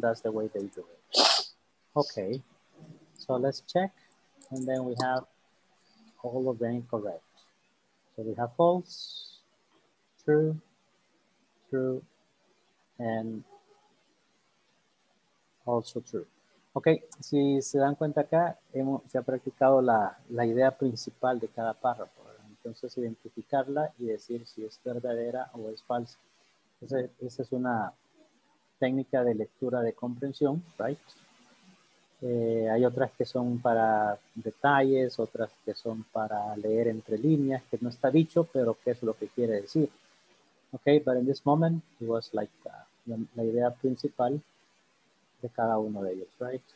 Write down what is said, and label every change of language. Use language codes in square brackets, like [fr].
[en] That's the way they do it. Okay. So let's check. And then we have all of them correct. So we have false, true, and also true. Okay. [es] Si se dan cuenta acá, se ha practicado la idea principal de cada párrafo. Entonces, identificarla y decir si es verdadera o es falsa. Esa es una técnica de lectura de comprensión, right? Hay otras que son para detalles, otras que son para leer entre líneas, que no está dicho, pero qué es lo que quiere decir. [en] Okay, but in this moment, it was like [es] la idea principal de cada uno de ellos, [en] right?